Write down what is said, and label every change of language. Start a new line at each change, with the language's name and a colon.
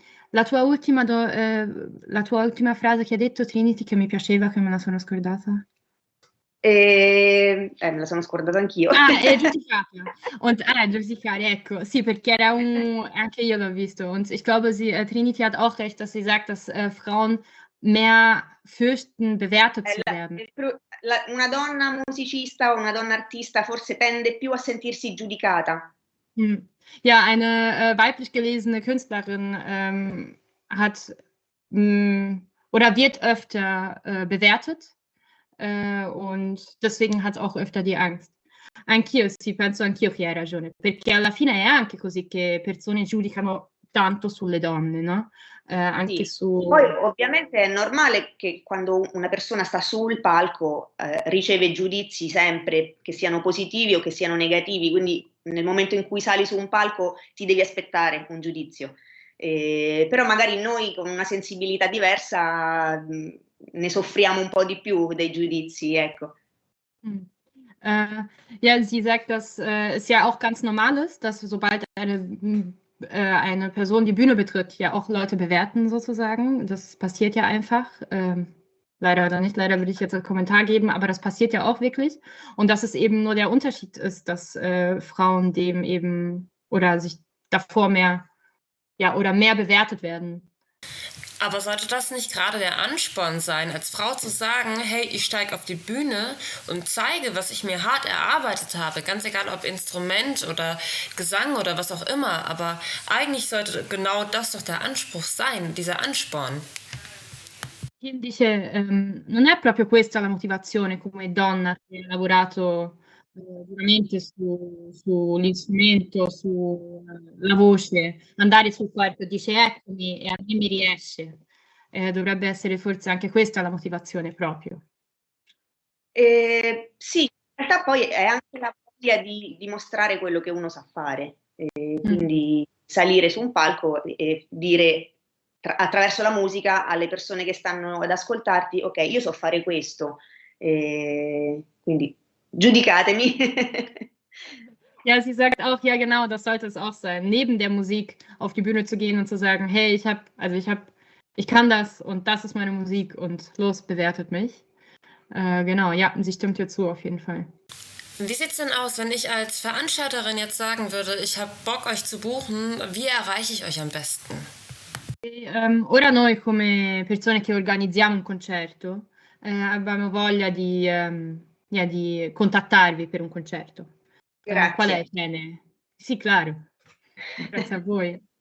Italian: La tua ultima frase che hai detto, Trinity, che mi piaceva, che me la sono scordata? Me la sono scordata anch'io. Ah, è giustificata. giustificare, ecco. Sì, perché era anche io l'ho visto.
German: Und ich glaube, Trinity hat auch recht, dass sie sagt, dass Frauen mehr fürchten, bewertet zu werden.
Italian: Una donna musicista o una donna artista forse tende più a sentirsi giudicata.
German: Ja, eine weiblich gelesene Künstlerin wird öfter bewertet und deswegen hat auch öfter die Angst.
Italian: Anch'io, sì, penso anch'io che hai ragione, perché alla fine è anche così che persone giudicano tanto sulle donne, no? Anche sì. Su... Poi ovviamente è normale che quando una persona sta sul palco riceve giudizi sempre, che siano positivi o che siano negativi, quindi nel momento in cui sali su un palco ti devi aspettare un giudizio. Però magari noi con una sensibilità diversa ne soffriamo un po' di più dei giudizi, ecco.
German: Sie sagt, dass es ja auch ganz normal ist, dass sobald eine Person die Bühne betritt, ja auch Leute bewerten sozusagen. Das passiert ja einfach. Leider oder nicht, leider würde ich jetzt einen Kommentar geben, aber das passiert ja auch wirklich. Und dass es eben nur der Unterschied ist, dass Frauen dem eben oder sich davor mehr, ja, oder mehr bewertet werden. Aber sollte das nicht gerade der Ansporn sein, als Frau zu sagen, hey, ich steige auf die Bühne und zeige, was ich mir hart erarbeitet habe, ganz egal ob Instrument oder Gesang oder was auch immer, aber eigentlich sollte genau das doch der Anspruch sein, dieser Ansporn.
Italian: Kim dice, non è proprio questa la motivazione come donna che ha lavorato veramente sull'istrumento, sulla voce, andare sul palco, dice eccomi e a me mi riesce. Dovrebbe essere forse anche questa la motivazione proprio. Sì, in realtà poi è anche la voglia di dimostrare quello che uno sa fare, quindi salire su un palco e dire attraverso la musica alle persone che stanno ad ascoltarti, ok, io so fare questo, quindi... Giudicatemi.
German: Ja, sie sagt auch, ja genau, das sollte es auch sein, neben der Musik auf die Bühne zu gehen und zu sagen, hey, ich kann das und das ist meine Musik und los, bewertet mich. Genau, ja, sie stimmt hier zu auf jeden Fall. Wie sieht's denn aus, wenn ich als Veranstalterin jetzt sagen würde, ich habe Bock euch zu buchen, wie erreiche ich euch am besten?
Italian: Ora noi come persone che organizziamo un concerto, abbiamo voglia di di contattarvi per un concerto. Grazie. Qual è il bene? Sì, claro. Grazie a voi.